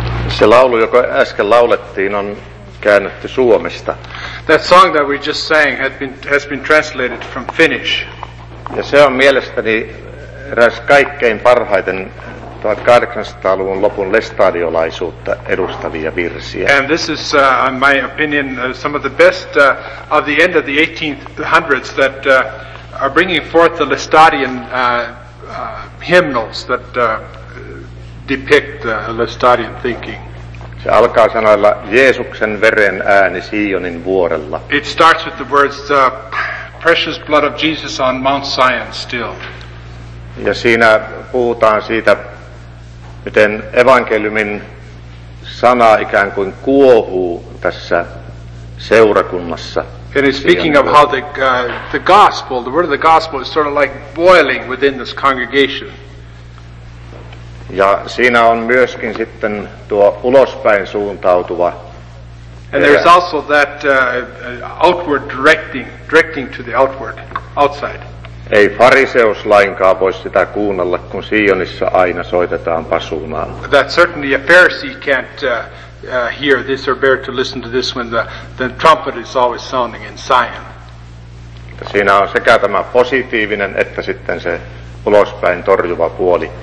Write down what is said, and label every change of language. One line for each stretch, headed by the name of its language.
Finnish: Se laulu, joka äsken laulettiin, on käännetty suomesta.
English: That song that we just sang has been translated from Finnish.
Finnish: Ja se on mielestäni eräs kaikkein parhaiten 1800-luvun lopun lestadiolaisuutta edustavia virsiä.
English: And this is, in my opinion, some of the best of the end of the 1800s that are bringing forth the Lestadian hymnals that depict Lestadian thinking.
Finnish: Se alkaa sanoilla Jeesuksen veren ääni Sionin vuorella.
English: It starts with the words the precious blood of Jesus on Mount Zion still.
Finnish: Ja siinä puhutaan siitä, miten evankeliumin sana ikään kuin kuohuu tässä seurakunnassa.
English: It is speaking of how the gospel, the word of the gospel is sort of like boiling within this congregation.
Finnish: Ja siinä on myöskin sitten tuo ulospäin suuntautuva.
English: And there is also that outward directing to the outward, outside.
Finnish: Ei fariseus lainkaan voi sitä kuunnella, kun Sionissa aina soitetaan pasuunaan.
English: That certainly a Pharisee can't hear this or bear to listen to this when the trumpet is always sounding in Zion.
Finnish: Siinä on sekä tämä positiivinen että sitten se ulospäin torjuva puoli.